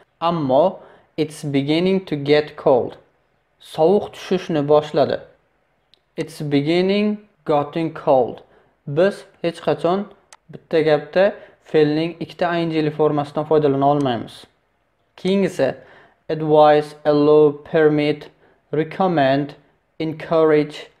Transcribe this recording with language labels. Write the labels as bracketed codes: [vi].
[en] Ammo it's beginning to get cold. [uz] Sovuq tushishni boshladi. [en] It's beginning getting cold. [uz] Biz hech qachon bitta gapda fe'lning ikkita ing formasidan foydalana olmaymiz. Keyingisi advise, allow, permit, recommend, encourage.